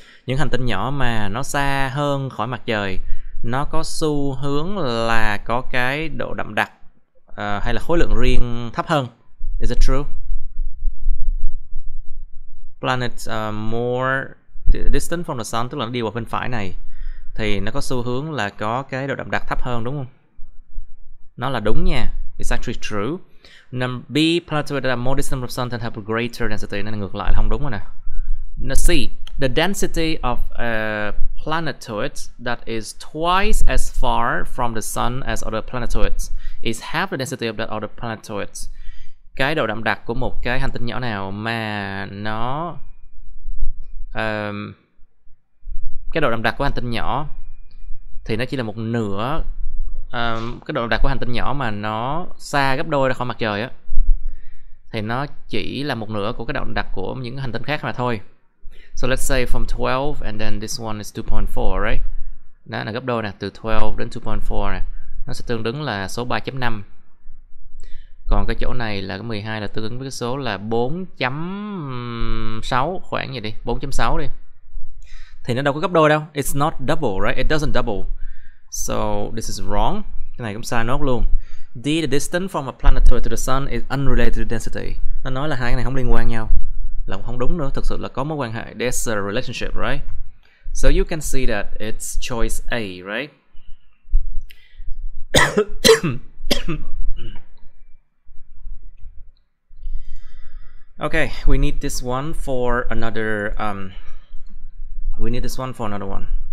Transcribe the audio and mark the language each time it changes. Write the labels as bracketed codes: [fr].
[vi] Những hành tinh nhỏ mà nó xa hơn khỏi mặt trời, nó có xu hướng là có cái độ đậm đặc hay là khối lượng riêng thấp hơn. [en] Is it true? Planets are more distant from the sun, [vi] tức là nó đi vào bên phải này, thì nó có xu hướng là có cái độ đậm đặc thấp hơn, đúng không? Nó là đúng nha. [en] It's actually true. B, planets that are more distant from the sun tend to have a greater density. [vi] Nên ngược lại là không đúng rồi nè. [en] C, the density of a planetoid that is twice as far from the sun as other planetoids is half the density of that other planetoid. [vi] Cái độ đậm đặc của một cái hành tinh nhỏ nào mà nó cái độ đậm đặc của hành tinh nhỏ thì nó chỉ là một nửa cái độ đậm đặc của hành tinh nhỏ mà nó xa gấp đôi ra khỏi mặt trời á, thì nó chỉ là một nửa của cái độ đậm đặc của những hành tinh khác mà thôi. [en] So let's say from 12 and then this one is 2.4, right? [vi] Đó là gấp đôi nè, từ 12 đến 2.4 nè. Nó sẽ tương ứng là số 3.5. Còn cái chỗ này là cái 12 là tương ứng với cái số là 4.6, khoảng vậy đi, 4.6 đi. Thì nó đâu có gấp đôi đâu. [en] It's not double, right? It doesn't double. So this is wrong. [vi] Cái này cũng sai nốt luôn. [en] D, the distance from a planetoid to the sun is unrelated to density. [vi] Nó nói là hai cái này không liên quan nhau, là không đúng nữa, thực sự là có mối quan hệ. [en] There's a relationship, right? So you can see that it's choice A, right? Okay, we need this one for another one.